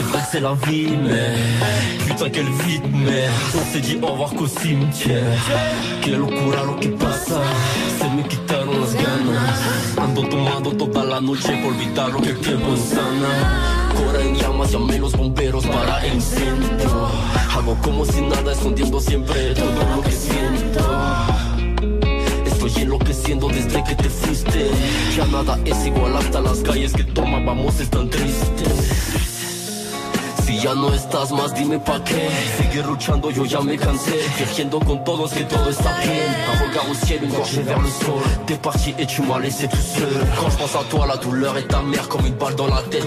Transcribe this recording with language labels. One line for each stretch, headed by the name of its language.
French: C'est la vie, mais putain quelle vie, mais on s'est dit au revoir qu'au cimetière.
Spanish: Que locura lo que pasa, se me quitaron las ganas. Ando tomando toda la noche por evitar lo que quemo en sana. Corre en llamas, llamé los bomberos para el incendio. Hago como si nada, escondiendo siempre todo lo que siento. Estoy enloqueciendo desde que te fuiste. Ya nada es igual, hasta las calles que tomábamos están tristes. Si ya no estás más, dime pa' qué. Sigue luchando, yo ya me cansé. Fingiendo con todos que todo está bien.
French: Un regard au ciel, une gorgée vers le sol. T'es parti et tu m'as laissé tout seul. Quand je pense à toi, la douleur est amère comme une balle dans la tête.